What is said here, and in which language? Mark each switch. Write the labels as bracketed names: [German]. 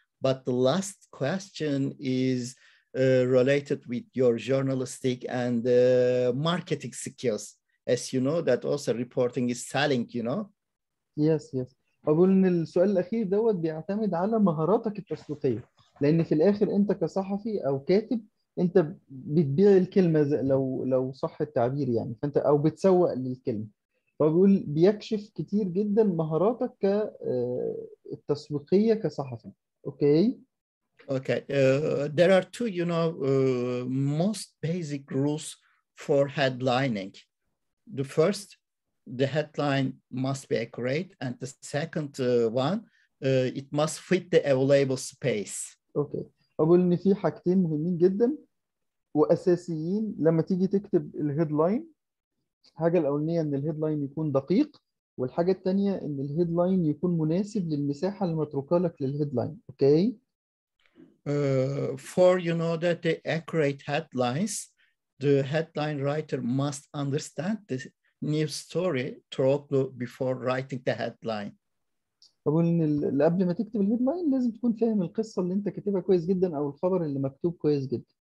[English] But the last question is related with your journalistic and marketing skills. As you know, that also reporting is selling, you know. Yes. [Arabic] أقول إن السؤال الأخير دوت بيعتمد على مهاراتك التسويقية، لأن في الآخر أنت كصحفي أو كاتب أنت بتبيع الكلمة، لو صح التعبير يعني، فأنت أو بتسوق للكلمة. فبيقول بيكشف كتير جدا مهاراتك التسويقية كصحفي. أوكي. [English] Okay, there are two, you know, most basic rules for headlining. The first, the headline must be accurate, and the second one, it must fit the available space. Okay. [Arabic] أقول إن في حاجتين مهمين جدا وأساسيين لما تيجي تكتب الهيدلاين. الحاجة الأولانية إن الهيدلاين يكون دقيق، والحاجة التانية إن الهيدلاين يكون مناسب للمساحة المتروكة لك للهيدلاين. أوكي. [English] For you know that the accurate headlines, the headline writer must understand the new story thoroughly before writing the headline. [Arabic] بقول ان قبل ما تكتب الهيدلاين لازم تكون فاهم القصه اللي انت كاتبها كويس جدا، او الخبر اللي مكتوب كويس جدا.